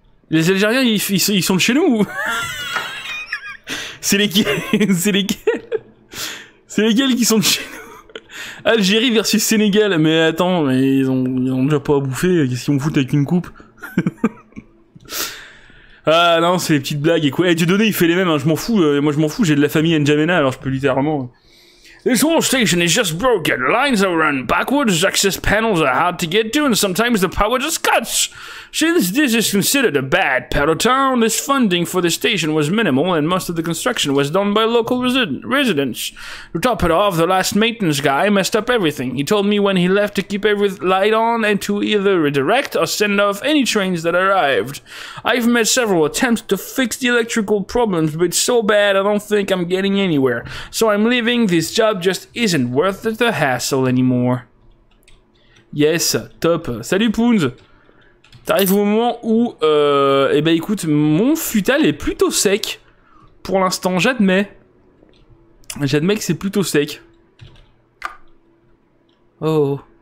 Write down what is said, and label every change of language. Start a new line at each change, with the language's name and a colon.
French: Les Algériens, ils sont de chez nous? C'est lesquels qui sont de chez nous? Algérie versus Sénégal, mais attends, mais ils ont déjà pas à bouffer, qu'est-ce qu'ils vont foutre avec une coupe? Ah non, c'est les petites blagues et quoi. Eh, Dieudonné, il fait les mêmes, hein, je m'en fous, j'ai de la famille N'Djamena, alors je peux littéralement...
English: This whole station is just broken, lines are run backwards, access panels are hard to get to, and sometimes the power just cuts. Since this is considered a bad part of town, this funding for the station was minimal, and most of the construction was done by local residents. To top it off, the last maintenance guy messed up everything. He told me when he left to keep every light on and to either redirect or send off any trains that arrived. I've made several attempts to fix the electrical problems, but it's so bad I don't think I'm getting anywhere. So I'm leaving, this job just isn't worth the hassle anymore.
French: Yes, top. Salut Poons. T'arrives au moment où, eh ben écoute, mon futal est plutôt sec. Pour l'instant, j'admets. J'admets que c'est plutôt sec. Oh.